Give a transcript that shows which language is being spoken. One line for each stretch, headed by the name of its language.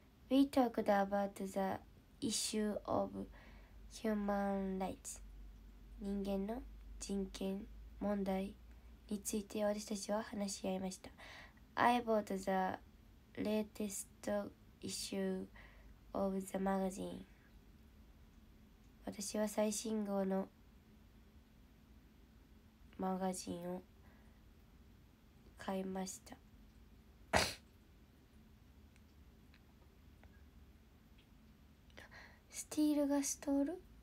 English: We talked about the issue of human rights.
Japanese: 人間の人権問題について私たちは話し合いました。
English: I bought the latest issue of the magazine.
Japanese: 私は最新号のマガジンを買いました。スティールがストール？